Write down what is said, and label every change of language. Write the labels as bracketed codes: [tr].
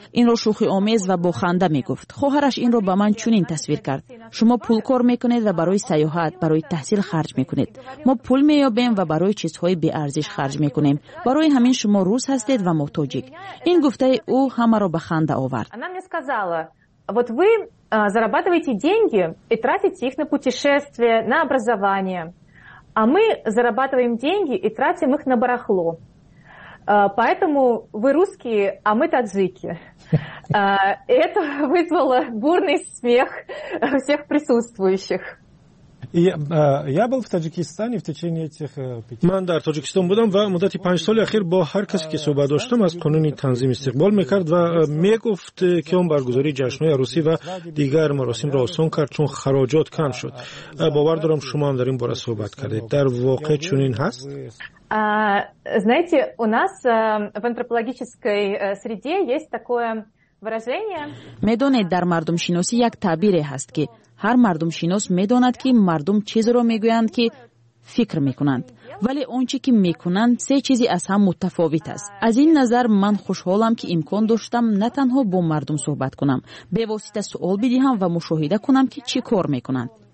[fa] این را شوخی آمیز و بخنده می گفت. خواهرش این را به من چنین تصویر کرد. شما پول کار می کنید و برای سیاحت، برای تحصیل خرج می کنید. ما پول می یابیم و برای چیزهای بی ارزش خرج می کنیم. برای همین شما روس هستید و ما تاجیک. این گفته او همه را به خنده آورد. انا می [ru] сказала: "Вот вы зарабатываете деньги и тратите их на путешествия, на образование. А мы зарабатываем деньги и тратим их на барахло". Поэтому вы русские, а мы таджики. Это вызвало бурный смех всех присутствующих. Я был в Таджикистане в течение этих пяти. [tg] Ман дар Таджикистан будам ва муддати 5 соли ахир бо ҳар касе ки суҳбат доштам аз қонуни танзим истиқбол мекард ва мегуфт ки он баргузори ҷашнҳои арусӣ ва дигар маросимро осон кард чун хароҷот кам шуд. Бовар дорам шумо ҳам дар ин бора суҳбат кардед. Дар воқеъ чунин ҳаст? [ru] Знаете, у нас в антропологической среде есть такое выражение. [tg] Медонед дар мардум шиноси як табире ҳаст ки ҳар мардум шинос медонад ки мардум чизро мегӯянд ки фикр мекунанд. [fa] ولی اونچه که میکنن سه چیزی از هم متفاوت است. از این نظر من خوشحالم که امکان داشتم نه تنها با مردم صحبت کنم، به واسطه سوال بدهم و مشاهده کنم که چی کار میکنند.